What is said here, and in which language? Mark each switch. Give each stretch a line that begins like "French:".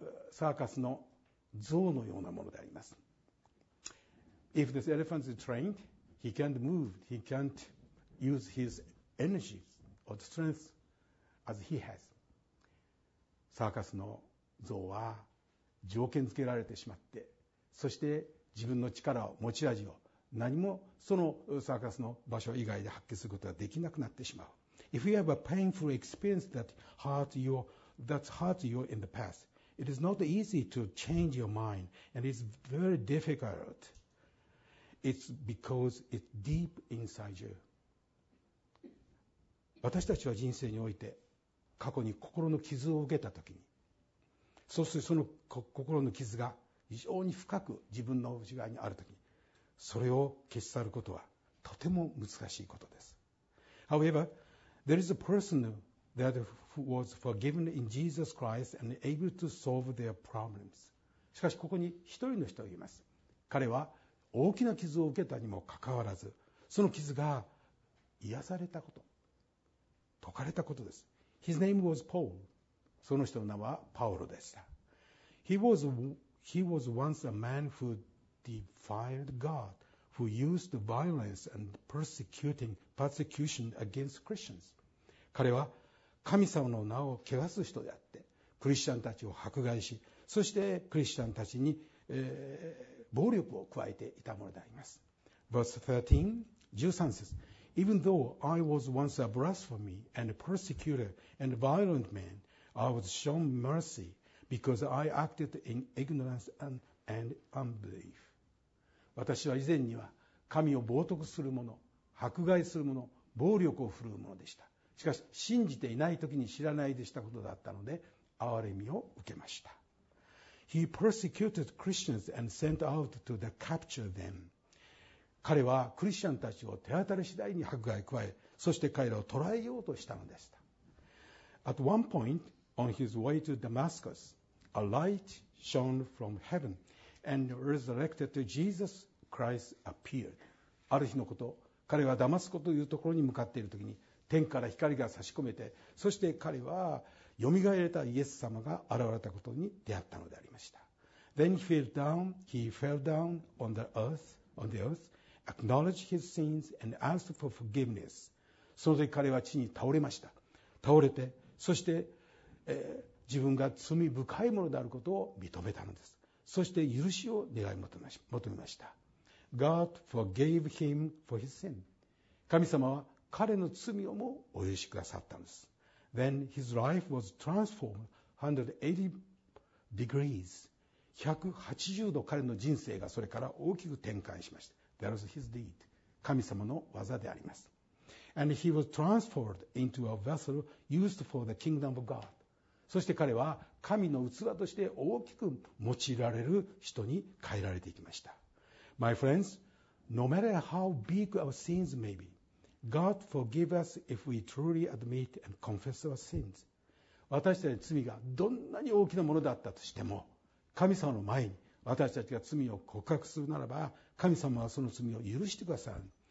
Japanese: サーカスの象のようなものであります。
English: If this elephant is trained, he can't move. He can't use his energyOr strength as he has.
Japanese: サーカスの象は条件付けられてしまって、そして自分の力を持ち味を何もそのサーカスの場所以外で発揮することができなくなってしまう。
English: If you have a painful experience that hurts you in the past, it is not easy to change your mind and it's very difficult. It's because it's deep inside you.
Japanese: 私たちは人生において過去に心の傷を受けたときに、そしてその心の傷が非常に深く自分の内側にあるとき、それを消し去ることはとても難しいことです。
English: However, There is a person that was forgiven in Jesus Christ and able to solve their problems.
Japanese: しかしここに一人の人がいます。彼は大きな傷を受けたにもかかわらず、その傷が癒されたこと、解かれたことです。
English: His name was Paul.
Japanese: その人の名はパウロでした。
English: He was once a man who defied God, who used violence and persecution against Christians.
Japanese: 彼は神様の名を汚す人であって、クリスチャンたちを迫害し、そしてクリスチャンたちに、暴力を加えていたものであります。
English: Verse 13,
Japanese: 13節。
English: Even though I was once a blasphemer and a persecutor and a violent man, I was shown mercy because I acted in ignorance and unbelief.
Japanese: 私は以前には神を冒涜する者、迫害する者、暴力を振るう者でした。しかし信じていない時に知らないでしたことだったので、憐れみを受けました。
English: He persecuted Christians and sent out to the capture them.
Japanese: 彼はクリスチャンたちを手当たり次第に迫害加え、そして彼らを捕らえようとしたのでした。
English: At one point on his way to Damascus, a light shone from heaven and resurrected Jesus Christ appeared.
Japanese: ある日のこと、彼はダマスコというところに向かっているときに、天から光が差し込めて、そして彼は蘇られたイエス様が現れたことに出会ったのでありました。
English: Then he fell down on the earth, acknowledged his sins and asked for forgiveness.
Japanese: その時彼は地に倒れました。倒れて、そして、自分が罪深いものであることを認めたのです。そして許しを願い求めました。
English: God forgave him for his sin.
Japanese: 神様は彼の罪をもお許しくださったんです。
English: Then his life was transformed 180 degrees.
Japanese: 180度彼の人生がそれから大きく転換しました。
English: That was his deed.
Japanese: 神様の技であります。
English: And he was transformed into a vessel used for the kingdom of God.
Japanese: そして彼は神の器として大きく用いられる人に変えられていきました。
English: My friends, no matter how big our sins may be,God forgive us if we truly admit and confess our sins.
Japanese: 私たちの罪がどんなに大きなものだったとしても、神様の前に私たちが罪を告白するならば、神様はその罪を許してくださる。